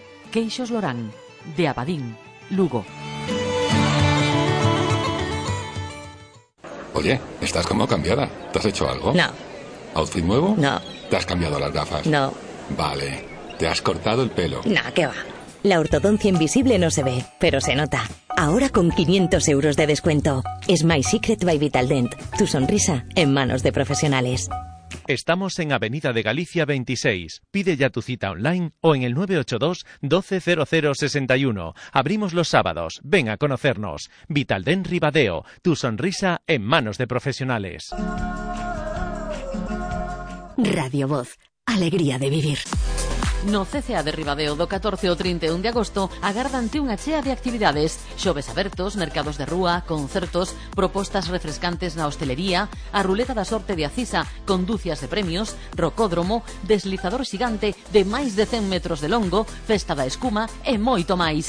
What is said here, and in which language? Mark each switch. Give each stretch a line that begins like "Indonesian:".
Galician: Queixos Lorán, de Abadín, Lugo.
Spanish: Oye, estás como cambiada. ¿Te has hecho algo? No. ¿Outfit nuevo? No. ¿Te has cambiado las gafas? No. Vale, ¿te has cortado el pelo? No, ¿qué va? La ortodoncia invisible no se ve, pero se nota. Ahora con 500 euros de descuento. Es My Secret by Vital Dent. Tu sonrisa en manos de profesionales. Estamos en Avenida de Galicia 26. Pide ya tu cita online o en el 982-12-0061. Abrimos los sábados. Ven a conocernos. Vitalden Ribadeo. Tu sonrisa en manos de profesionales. Radio Voz. Alegría de vivir.
Galician: No CCA de Ribadeo do 14 ao 31 de agosto agárdanse unha chea de actividades. Xoves abertos, mercados de rúa, concertos, propostas refrescantes na hostelería, a ruleta da sorte de Acisa, conducias de premios, rocódromo, deslizador xigante de máis de 100 metros de longo, festa da escuma e moito máis.